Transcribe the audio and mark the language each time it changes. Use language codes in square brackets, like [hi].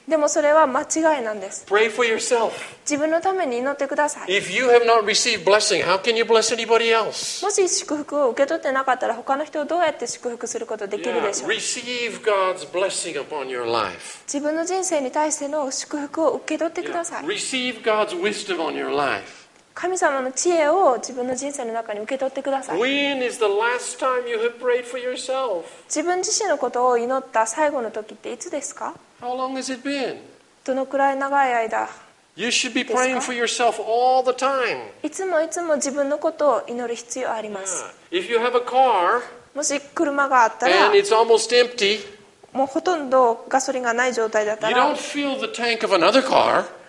[ja] でもそれは間違いなんです。 [en] Pray for yourself. [ja] 自分のために祈ってください。 [en] If you have not received blessing, how can you bless anybody else? [ja] もし祝福を受け取ってなかったら他の人をどうやって祝福することができるでしょう。 [en] Receive God's blessing upon your life. [ja] 自分の人生に対しての祝福を受け取ってください。 [en] Receive God's wisdom on your life. [ja] 神様の知恵を自分の人生の中に受け取ってください。 [en] When is the last time you have prayed for yourself? [ja] 自分自身のことを祈った最後の時っていつですか? [en] How long has it been? [ja] どのくらい長い間ですか? [en] You should be praying for yourself all the time. [ja] いつもいつも自分のことを祈る必要あります。 [en] Yeah. If you have a car, [ja] もし車があったら、 [en] and it's almost empty, [ja] もうほとんどガソリンがない状態だったら、 [en] you don't fill the tank of another car.